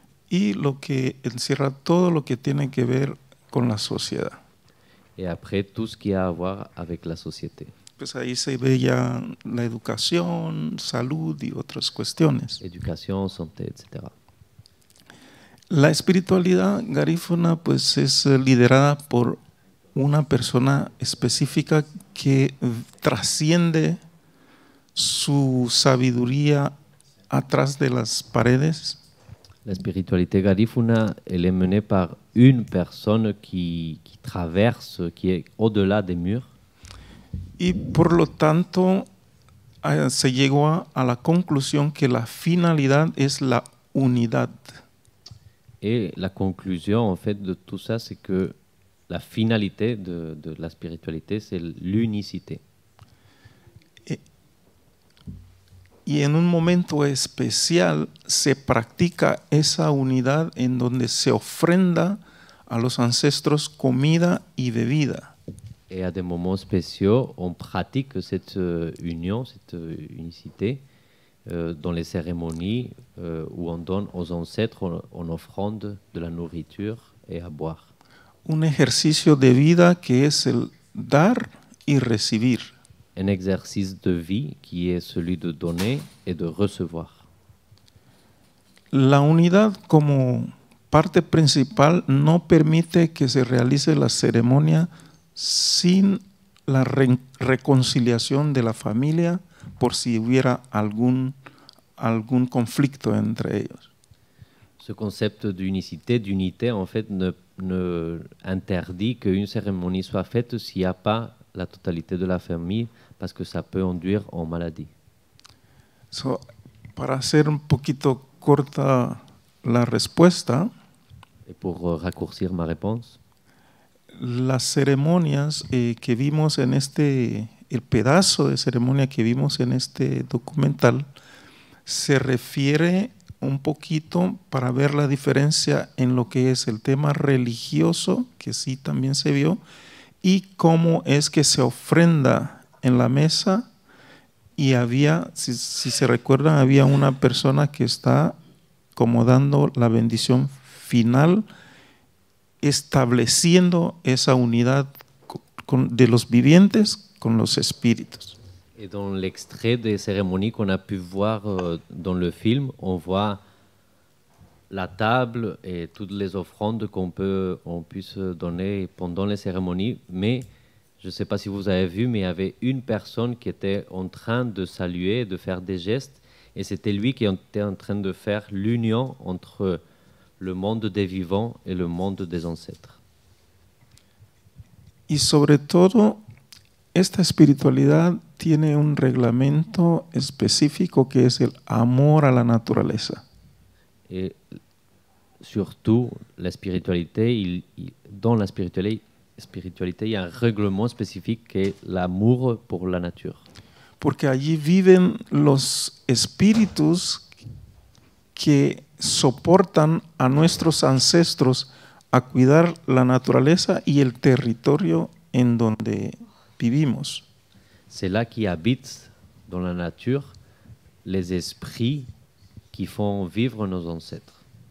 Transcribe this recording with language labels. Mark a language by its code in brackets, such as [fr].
[es] Y lo que encierra todo lo que tiene que ver con la sociedad. [fr] Et après tout ce qui a à voir avec la société. [es] Pues ahí se ve ya la educación, salud y otras cuestiones. [fr] Éducation, santé, etc. [es] La espiritualidad garífuna pues es liderada por una persona específica que trasciende su sabiduría atrás de las paredes. [fr] La spiritualité garifuna, elle est menée par une personne qui traverse, qui est au-delà des murs. [es] Et por lo tanto, se llegó a la conclusion que la finalidad es la unidad. [fr] Et la conclusion, en fait, de tout ça, c'est que la finalité de la spiritualité, c'est l'unicité. [es] Y en un momento especial se practica esa unidad en donde se ofrenda a los ancestros comida y bebida. [fr] Y a des moments spéciaux, on pratique cette union, cette unicité, dans les cérémonies où on donne aux ancêtres, on offrande de la nourriture et à boire. [es] Un ejercicio de vida que es el dar y recibir. [fr] Un exercice de vie qui est celui de donner et de recevoir. [es] La unidad como parte principal no permite que se realice la ceremonia sin la reconciliación de la familia por si hubiera algún conflicto entre ellos. [fr] Ce concept d'unicité, d'unité, en fait, ne interdit qu'une cérémonie soit faite s'il n'y a pas la totalité de la famille, parce que ça peut induire en maladie. [es] So, para hacer un poquito corta la respuesta, [fr] et pour raccourcir ma réponse, [es] las ceremonias que vimos en este, el pedazo de ceremonia que vimos en este documental, se refiere un poquito para ver la diferencia en lo que es el tema religioso, que sí también se vio, y cómo es que se ofrenda en la mesa y había, si se recuerdan, había una persona que está como dando la bendición final, estableciendo esa unidad de los vivientes con los espíritus. [fr] Et dans l'extrait des cérémonies qu'on a pu voir dans le film, on voit la table et toutes les offrandes qu'on puisse donner pendant les cérémonies. Mais je ne sais pas si vous avez vu, mais il y avait une personne qui était en train de saluer, de faire des gestes. Et c'était lui qui était en train de faire l'union entre le monde des vivants et le monde des ancêtres. Et surtout, cette spiritualité [es] tiene un reglamento específico que es el amor a la naturaleza. Y surtout la espiritualidad, dans la espiritualidad, hay un reglamento específico que es el amor por la naturaleza. Porque allí viven los espíritus que soportan a nuestros ancestros a cuidar la naturaleza y el territorio en donde vivimos. [fr] C'est là qui habitent dans la nature les esprits qui font vivre nos ancêtres.